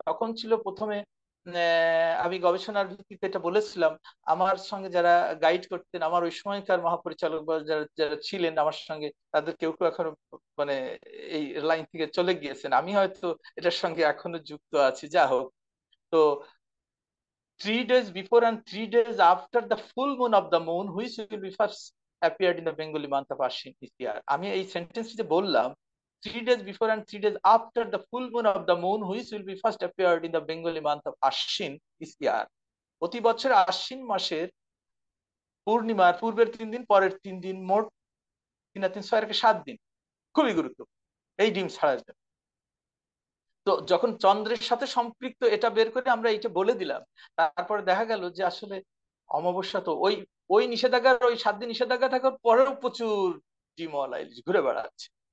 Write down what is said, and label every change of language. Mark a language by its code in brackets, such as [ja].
[bn] তখন ছিল প্রথমে আমি গবেষণার ভিত্তিতে এটা বলেছিলাম, আমার সঙ্গে যারা গাইড করতেন, আমার ওই সময়কার মহাপরিচালক বা যারা যারা ছিলেন আমার সঙ্গে, তাদের কেউ কেউ এখন মানে এই লাইন থেকে চলে গিয়েছেন, আমি হয়তো এটার সঙ্গে এখনো যুক্ত আছি। যা হোক, তো [en] 3 days before and 3 days after the full moon of the moon which will be first appeared in the Bengali month of Ashwin this year. [bn] আমি এই সেন্টেন্স যে বললাম, [en] 3 days before and 3 days after the full moon of the moon which will be first appeared in the Bengali month of Ashwin this year. [bn] প্রতি বছর আশ্বিন মাসের পূর্ণিমার পূর্বের 3 দিন, পরের 3 দিন, মোট 3 না 3 6 7 দিন, খুবই গুরুত্বপূর্ণ এই ডিম ছাড়ার জন্য। তো যখন চন্দ্রের সাথে সম্পৃক্ত এটা বের করে আমরা এটা বলে দিলাম, তারপরে দেখা গেল যে আসলে অমাবস্যা তো ওই ওই নিষেধাজ্ঞার ওই 7 দিন নিষেধাজ্ঞা থাকার পরেও প্রচুর ডিমওয়ালা ইলিশ ঘুরে বেড়াচ্ছে।